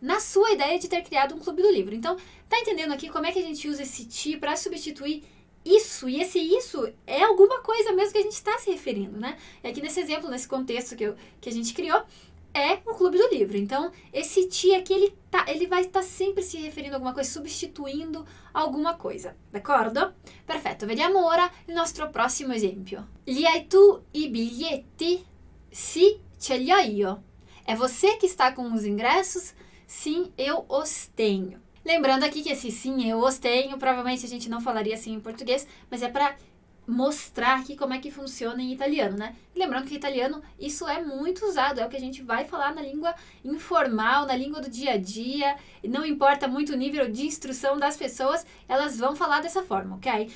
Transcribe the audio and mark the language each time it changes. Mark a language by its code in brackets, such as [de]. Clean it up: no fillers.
[pt] Na sua ideia de ter criado um clube do livro. Então, tá entendendo aqui como é que a gente usa esse ti para substituir isso? E esse isso é alguma coisa mesmo que a gente está se referindo, né? E aqui nesse exemplo, nesse contexto que a gente criou, é o clube do livro. Então, esse ti aqui, ele vai estar sempre se referindo a alguma coisa, substituindo alguma coisa. [it] D'accordo? Perfetto. Vediamo ora il nostro prossimo esempio. Li hai tu i biglietti? Sì, ce li ho io. [pt] É você que está com os ingressos? Sim, eu os tenho. Lembrando aqui que esse sim, eu os tenho, provavelmente a gente não falaria assim em português, mas é para mostrar aqui como é que funciona em italiano, né? Lembrando que italiano, isso é muito usado, é o que a gente vai falar na língua informal, na língua do dia a dia, não importa muito o nível de instrução das pessoas, elas vão falar dessa forma, ok?